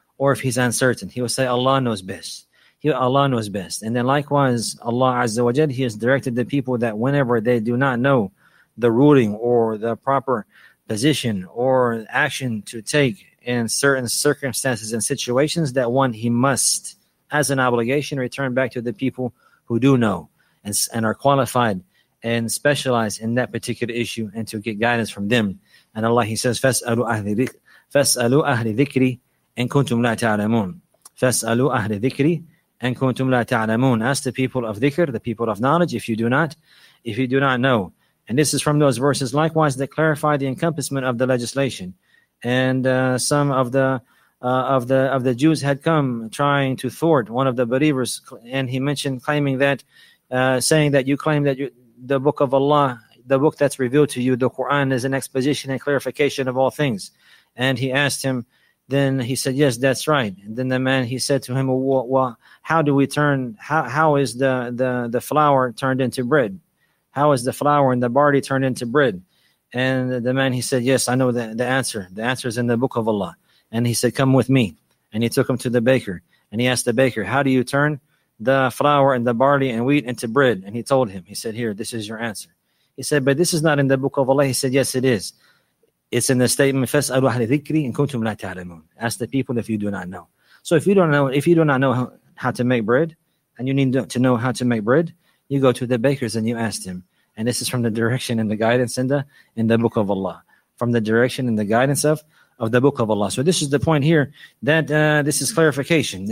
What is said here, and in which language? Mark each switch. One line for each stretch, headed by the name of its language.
English: Or if he's uncertain, he will say, Allah knows best. And then likewise, Allah azza wa jal, he has directed the people that whenever they do not know the ruling or the proper position or action to take in certain circumstances and situations, that one, he must, as an obligation, return back to the people who do know and are qualified and specialized in that particular issue, and to get guidance from them. And Allah, he says,
Arabic: فَاسْأَلُوا أَهْلِ ذِكْرِ إِن كُنْتُمْ لَا تَعْلَمُونَ. فَاسْأَلُوا أَهْلِ ذِكْرِ إِن كُنْتُمْ لَا تَعْلَمُونَ.
English: Ask the people of dhikr, the people of knowledge, if you do not know. And this is from those verses likewise that clarify the encompassment of the legislation. And some of the Jews had come trying to thwart one of the believers, and he mentioned saying that you claim that the Book of Allah, the book that's revealed to you, the Quran, is an exposition and clarification of all things. And he asked him, then he said, yes, that's right. And then the man, he said to him, well, how is the flour turned into bread? How is the flour and the barley turned into bread? And the man, he said, yes, I know the answer. The answer is in the Book of Allah. And he said, come with me. And he took him to the baker. And he asked the baker, how do you turn the flour and the barley and wheat into bread? And he told him, he said, here, this is your answer. He said, but this is not in the Book of Allah. He said, yes, it is. It's in the statement,
Arabic: فَاسْأَلُوا أَهْلِ ذِكْرِ إِن كُنْتُمْ لَا تَعْلَمُونَ.
English: Ask the people if you do not know. So if you do not know how to make bread, and you need to know how to make bread, you go to the bakers and you ask them. And this is from the direction and the guidance in the book of Allah. From the direction and the guidance of the book of Allah. So this is the point here that this is clarification.